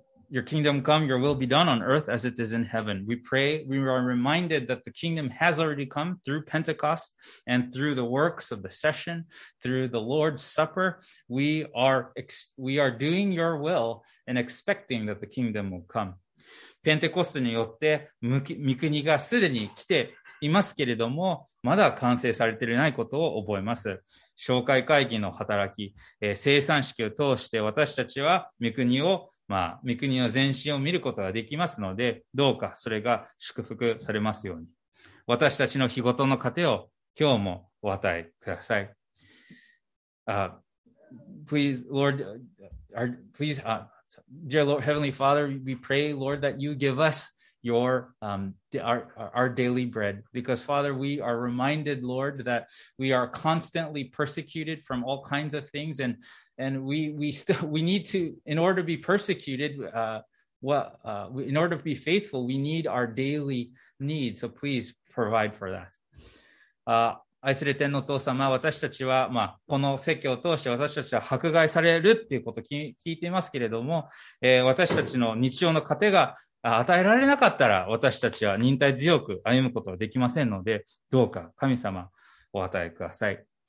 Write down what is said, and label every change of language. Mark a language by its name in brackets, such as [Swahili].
[English] Your kingdom come, your will be done on earth as it is in heaven. We pray, we are reminded that the kingdom has already come through Pentecost and through the works of the session, through the Lord's Supper. We are doing your will and expecting that the kingdom will come. [Japanese] ペンテコステによって御国がすでに来ていますけれども、まだ完成されていないことを覚えます。紹介会議の働き、生産式を通して私たちは御国を御国の前進を見ることができますので、どうかそれが祝福されますように。私たちの日ごとの糧を今日もお与えください。 [English] Dear Lord, Heavenly Father, we pray, Lord, that you give us our daily bread. Because, Father, we are reminded, Lord, that we are constantly persecuted from all kinds of things. And we need to, in order to be persecuted, in order to be faithful, we need our daily needs. So please provide for that. [Japanese] 愛する天の父様、私たちは、この説教を通して私たちは迫害されるっていうことを聞いていますけれども、私たちの日常の糧が与えられなかったら、私たちは忍耐強く歩むことはできませんので、どうか神様お与えください。